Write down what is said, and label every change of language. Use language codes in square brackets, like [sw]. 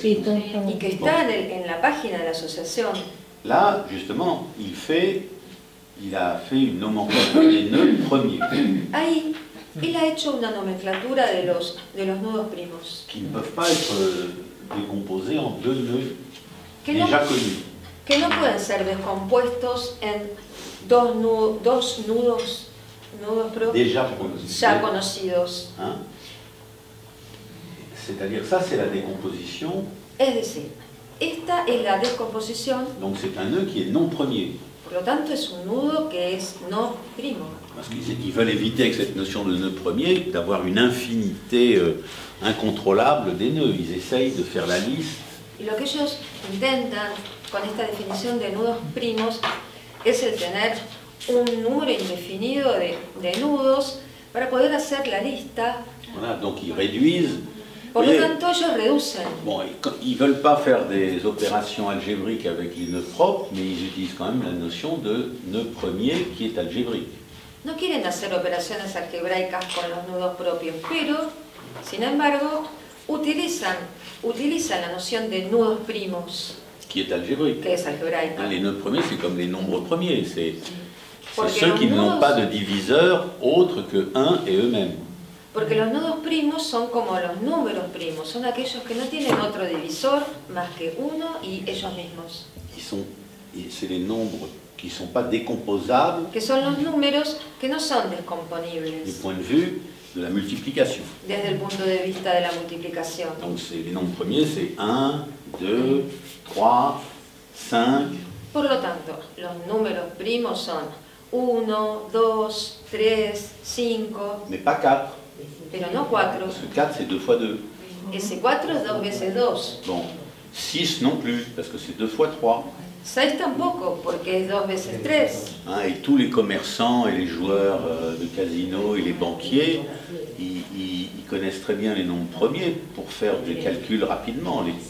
[es] Sí, y que está en la página de la asociación. [fr] Là, justement, il a fait une nomenclature des nœuds premiers. [es] Ahí, il a hecho una nomenclatura de los nudos primos. [fr] Qui ne peuvent pas être décomposés en deux nœuds que déjà [es] no, [fr] connus. [es] Que no pueden ser descompuestos en dos nudos propios [fr] déjà [es] conocidos. [fr] Hein? C'est-à-dire, ça, c'est la décomposition. [es] Es decir, esta es la descomposición. [fr] Donc, c'est un nœud qui est non premier. [es] Por lo tanto, es un nudo que es no primo. [fr] Parce qu'ils veulent éviter avec cette notion de nœud premier d'avoir une infinité incontrôlable des nœuds. Ils essayent de faire la liste. [es] Y lo que ellos intentan con esta definición de nudos primos es el tener un número indefinido de nudos para poder hacer la lista. [fr] Voilà, donc ils réduisent. [es] Por lo tanto, ellos reducen. [fr] Bon, ils ne veulent pas faire des opérations algébriques avec les nœuds propres, mais ils utilisent quand même la notion de nœud premier qui est algébrique. [es] No quieren hacer operaciones algebraicas con los nudos propios, pero, sin embargo, utilisan la noción de nudos primos. [fr] Qui est algébrique. [es] Que es algebraico. [fr] Les nombres premiers, c'est comme les nombres premiers. C'est ceux qui n'ont pas de diviseur autre que 1 et eux-mêmes. [es] Porque los nudos primos son como los números primos, son aquellos que no tienen otro divisor más que uno y ellos mismos. [fr] Ils sont, c'est les nombres qui sont pas décomposables. [es] Que son los números que no son descomponibles. [fr] Du point de vue de la multiplication. [es] Desde el punto de vista de la multiplicación. [fr] Donc c'est les nombres premiers, c'est 1, 2, 3, 5. [es] Por lo tanto, los números primos son 1, 2, 3, 5. [fr] Mais pas 4. [es] Pero no 4. [fr] Parce que 4 c'est 2 fois 2. Et c'est [es] 4 es 2 veces 2. [fr] Bon, 6 non plus, parce que c'est 2 fois 3. [es] 6 tampoco, porque es 2 veces 3. [fr] Hein, et tous les commerçants et les joueurs de casino et les banquiers, ils connaissent très bien les nombres premiers pour faire des calculs rapidement.